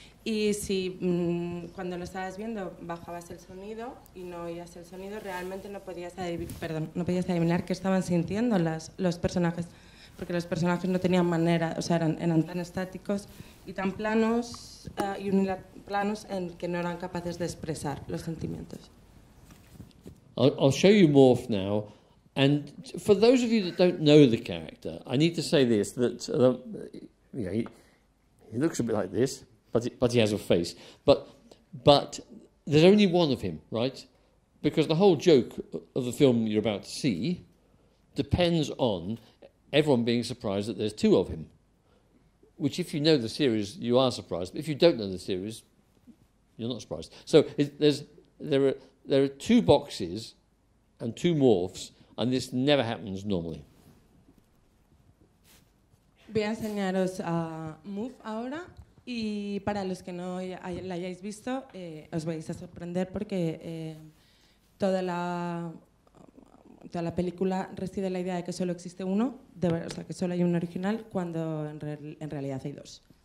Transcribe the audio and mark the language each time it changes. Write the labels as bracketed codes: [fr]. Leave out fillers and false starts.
[es] Y si cuando lo estabas viendo bajabas el sonido y no oías el sonido, realmente no podías adivinar qué estaban sintiendo los personajes. Porque los personajes no tenían manera, o sea, eran tan estáticos y tan planos y planos en que no eran capaces de expresar los sentimientos. [en] I'll show you Morph now, and for those of you that don't know the character, I need to say this, that he looks a bit like this, but he has a face. But there's only one of him, right? Because the whole joke of the film you're about to see depends on everyone being surprised that there's two of him, which, if you know the series, you are surprised. But if you don't know the series, you're not surprised. So there are two boxes and two morphs, and this never happens normally. [es] Voy a enseñaros a Move ahora, y para los que no la hayáis visto, os vais a sorprender porque toda la película reside en la idea de que solo existe uno, o sea, que solo hay un original, cuando en realidad hay dos.